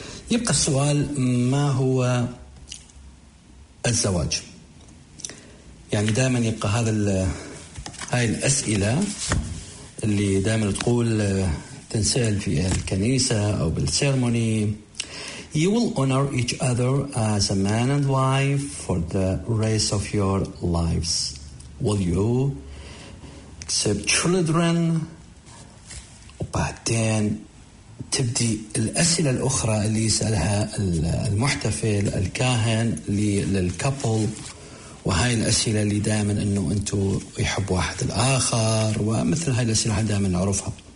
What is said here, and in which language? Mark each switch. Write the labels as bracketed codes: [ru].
[ar] يبقى السؤال ما هو الزواج؟ يعني دائما يبقى هاي الأسئلة اللي دائما تقول تنسأل في الكنيسة أو بالسيرموني. [en] You will honor each other as a man and wife for the rest of your lives. Will you accept children? [ar] وبعدين تبدي الأسئلة الأخرى اللي يسألها المحتفل الكاهن للكابل، وهاي الأسئلة اللي دائما أنه أنتوا يحبوا واحد الآخر، ومثل هاي الأسئلة دائما نعرفها.